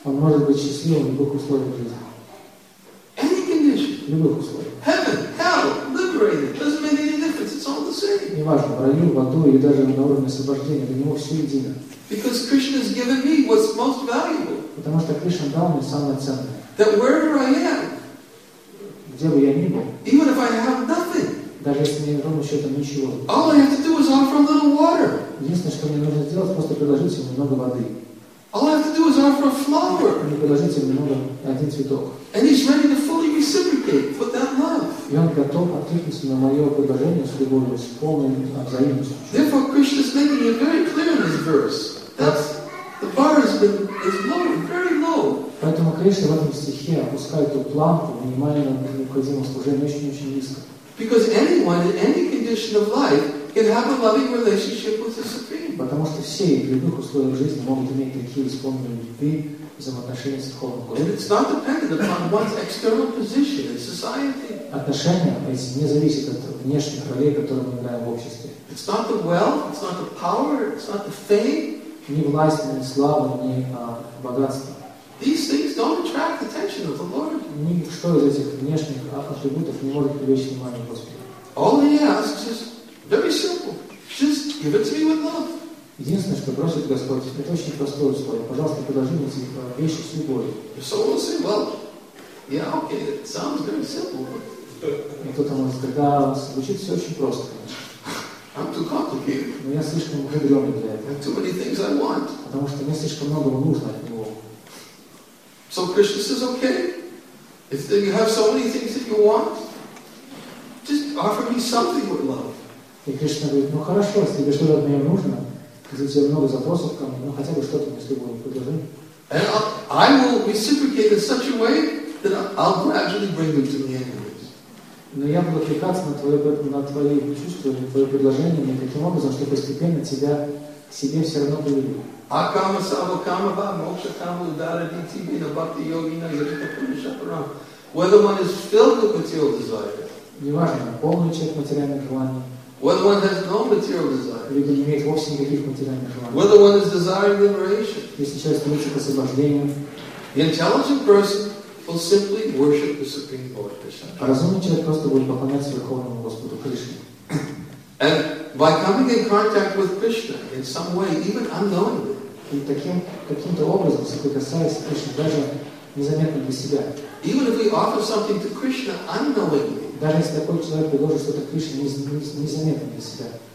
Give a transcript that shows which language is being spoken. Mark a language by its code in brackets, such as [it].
[ru] Он может быть счастливым в любых условиях жизни. [en] Any condition. [ru] В любых условиях. [en] Heaven, hell, liberated, doesn't make any difference. It's all the same. [ru] Неважно, в раю, в аду или даже на уровне освобождения, для него все едино. [en] Because Krishna has given me what's most valuable. [ru] Потому что Кришна дал мне самое ценное. [en] That wherever I am. [ru] Где бы я ни был. [en] Even if I have nothing. [ru] Даже если мне ровно счетом ничего. [en] All I have to do is offer a little water. [ru] Единственное, что мне нужно сделать, просто предложить ему немного воды. [en] All I have to do is offer a flower. [ru] И предложить ему немного один цветок. [en] And he's ready to fully reciprocate for that love. [ru] И он готов откликнуться на мое предложение с любовью, с полной взаимностью. [en] Therefore, Krishna is making it very clear in this verse that the bar has been is low, very low. [ru] Поэтому Кришна в этом стихе опускает эту планку минимально необходимого служения очень-очень низко. [en] Because anyone in any condition of life can have a loving relationship with the Supreme. [ru] Потому что все в любых условиях жизни могут иметь такие исполненные любви взаимоотношения с Верховным Господом. [en] And it's not dependent upon one's external position in society. [ru] Отношения эти не зависят от внешних ролей, которые мы играем в обществе. [en] It's not the wealth, it's not the power, it's not the fame. [ru] Ни власть, ни слава, ни богатство. [en] These things don't attract attention of the Lord. [ru] Ничто из этих внешних атрибутов не может привлечь внимание Господа. [en] All he asks is very simple. Just give it to me with love. [ru] Единственное, что просит Господь, это очень простое условие. Пожалуйста, подожди мне эти вещи с любовью. [en] So we'll say, well, yeah, okay, it sounds very simple. [ru] И кто-то может сказать, да, звучит все очень просто, конечно. [en] I'm too complicated. [ru] Но я слишком мудрёный для этого. [en] I have too many things I want. [ru] Потому что мне слишком многого нужно от него. [en] So Krishna says, okay, if you have so many things that you want, just offer me something with love. [ru] И Кришна говорит, ну хорошо, если тебе что-то от меня нужно, если тебе много запросов ко мне, ну хотя бы что-то мне с любовью предложи. [en] And I will reciprocate in such a way that I'll gradually bring them to me anyways. [ru] Но я буду отвлекаться на твои чувства, на твои предложения мне таким образом, что постепенно тебя к себе все равно приведу. [sa] Акама савакама ба мокша кама удара дити бина бхакти йогина ярита пунишапарам. [en] Whether one is filled with material desire. [ru] Неважно, полный человек материальных желаний. [en] Whether one has no material desire. [ru] Либо не имеет вовсе никаких материальных желаний. [en] Whether one is desiring liberation. [ru] Если человек стремится к освобождению. [en] The intelligent person will simply worship the Supreme Lord Krishna. [ru] Разумный человек просто будет поклоняться Верховному Господу Кришне. [en] And by coming in contact with Krishna in some way, even unknowingly, [ru] каким-то образом соприкасаясь с Кришной, даже незаметно для себя, [en] even if we offer something to Krishna unknowingly, [ru] даже если такой человек предложит что-то Кришне незаметно для себя,